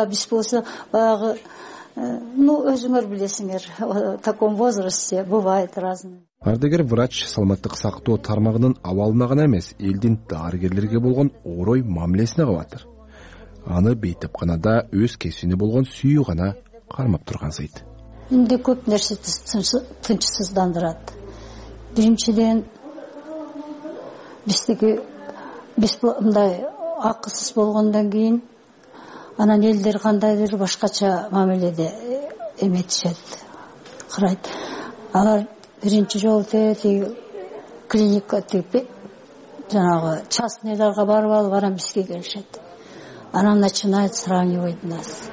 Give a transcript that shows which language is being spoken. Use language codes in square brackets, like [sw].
[ky] А биз болсо баягы өзүңөр билесиңер, в таком возрасте бывает разное. Ардыгер врач саламаттык сактоо тармагынын абалына гана эмес, элдин дарыгерлерге болгон орой мамилесине кабатыр. Аны бейтапканада өз кесибине болгон сүйүү гана кармап тургансыйт. Инде көп нерсе тынчсыздандырат. Биринчиден биздики биз мындай акысыз болгондон кийин анан элдер кандайдыр башкача мамиледе эметишет, карайт. Алар биринчи жолу тетиги клиника тип жанагы частныйларга барып алып анан бизге келишет. [ru] Анан начинают сравнивать нас.